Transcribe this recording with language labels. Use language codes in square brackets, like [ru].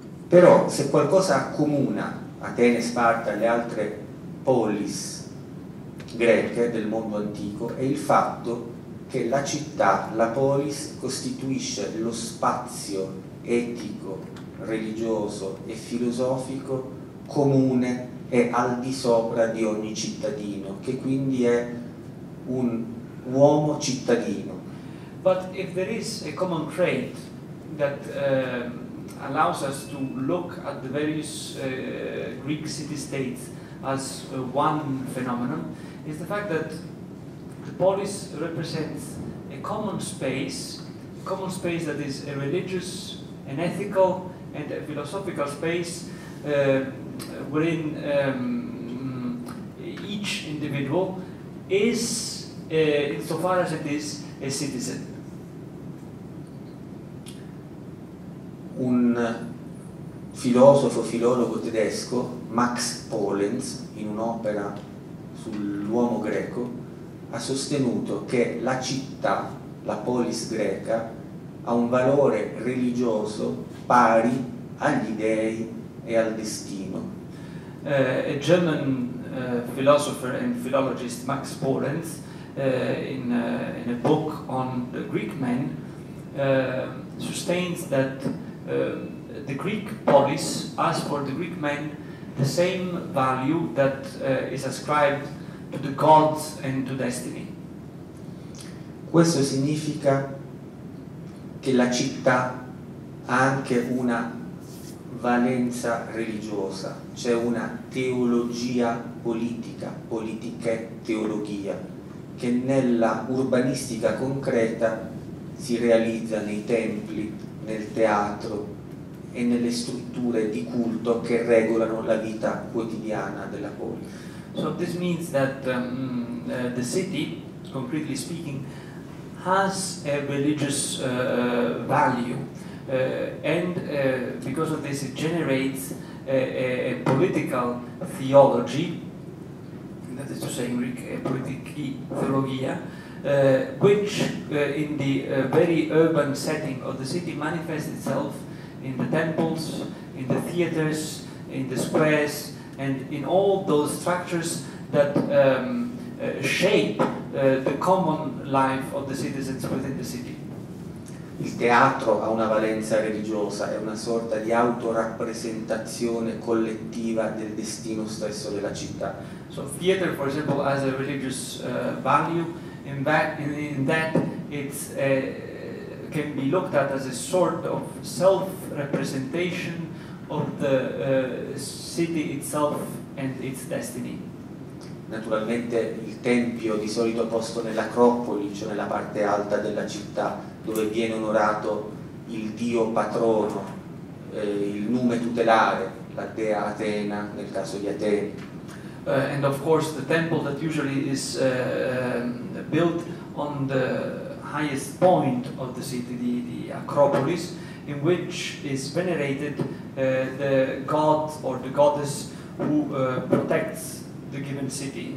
[it] Però se qualcosa accomuna Atene, Sparta e le altre polis greche del mondo antico è il fatto che la città, la polis, costituisce lo spazio etico, religioso e filosofico comune e al di sopra di ogni cittadino, che quindi è un uomo cittadino. [en] But if there is a common trait that allows us to look at the various Greek city-states as one phenomenon, is the fact that the polis represents a common space that is a religious, an ethical, and a philosophical space wherein each individual is, insofar as it is, a citizen. [it] Un filosofo filologo tedesco, Max Polenz, in un'opera sull'uomo greco, ha sostenuto che la città, la polis greca, ha un valore religioso pari agli dèi e al destino. [en] A German philosopher and philologist, Max Polenz, in a book on the Greek men, sustains that the Greek polis has for the Greek men the same value that is ascribed to the gods and to destiny. [it] Questo significa che la città ha anche una valenza religiosa, c'è una teologia politica, politiche teologia, che nella urbanistica concreta si realizza nei templi, nel teatro e nelle strutture di culto che regolano la vita quotidiana della polis. [en] So this means that the city, concretely speaking, has a religious value and because of this it generates a political theology, that is to say in Greek, a politiki theologia, which in the very urban setting of the city manifests itself in the temples, in the theaters, in the squares, and in all those structures that shape the common life of the citizens within the city. [it] Il teatro ha una valenza religiosa, è una sorta di autorappresentazione collettiva del destino stesso della città. [en] So theater, for example, has a religious value. In that, it's a can be looked at as a sort of self-representation of the city itself and its destiny. [it] Naturalmente il tempio di solito posto nell'acropoli, cioè nella parte alta della città, dove viene onorato il dio patrono, il nume tutelare, la dea Atena nel caso di Atene. [en] And of course the temple that usually is built on the highest point of the city, the Acropolis, in which is venerated the god or the goddess who protects the given city.